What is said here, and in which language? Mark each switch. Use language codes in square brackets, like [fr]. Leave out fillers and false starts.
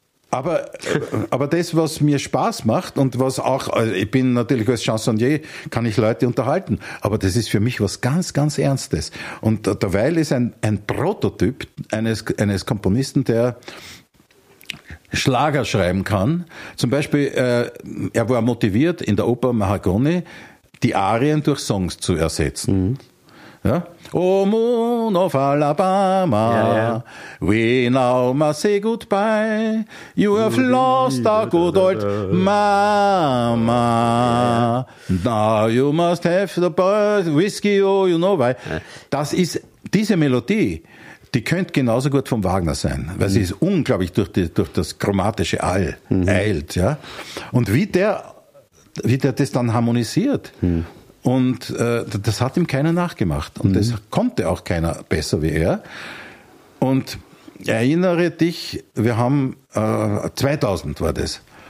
[de] Aber das, was mir Spaß macht und was auch, also ich bin natürlich als Chansonnier, kann ich Leute unterhalten, aber das ist für mich was ganz, ganz Ernstes. Und derweil ist ein Prototyp eines Komponisten, der Schlager schreiben kann. Zum Beispiel, er war motiviert, in der Oper Mahagoni die Arien durch Songs zu ersetzen. Mhm. Ja? [en] O Moon of Alabama, we now must say goodbye, you have lost our good old mama, now you must have the whiskey, oh you know why. [de] Das ist, diese Melodie, die könnte genauso gut vom Wagner sein, weil sie ist unglaublich durch das chromatische All eilt. Ja? Und wie der das dann harmonisiert, und das hat ihm keiner nachgemacht. Und das konnte auch keiner besser wie er. Und erinnere dich, wir haben 2000 war das.